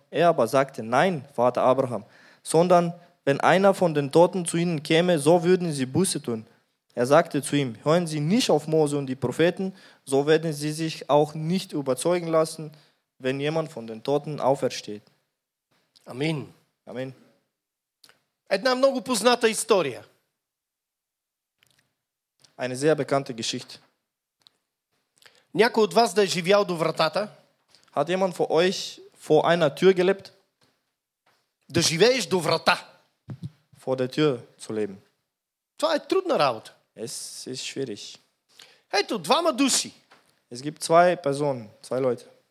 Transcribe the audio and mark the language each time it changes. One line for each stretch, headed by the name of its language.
German: Er aber sagte, nein, Vater Abraham, sondern wenn einer von den Toten zu ihnen käme, so würden sie Buße tun. Er sagte zu ihm, hören sie nicht auf Mose und die Propheten, so werden sie sich auch nicht überzeugen lassen, wenn jemand von den Toten aufersteht. Amen. Amen.
Bulgarian: Една много позната история.
German: Eine sehr bekannte Geschichte.
Bulgarian: Някой от вас да е живял до вратата?
German: Hat jemand von euch vor einer Tür gelebt?
Bulgarian: Да живееш до врата.
German: Vor der Tür zu leben.
Bulgarian: Това е трудна работа.
German: Es ist schwierig.
Bulgarian: Ето, двама души.
German: Es gibt zwei Personen, zwei Leute.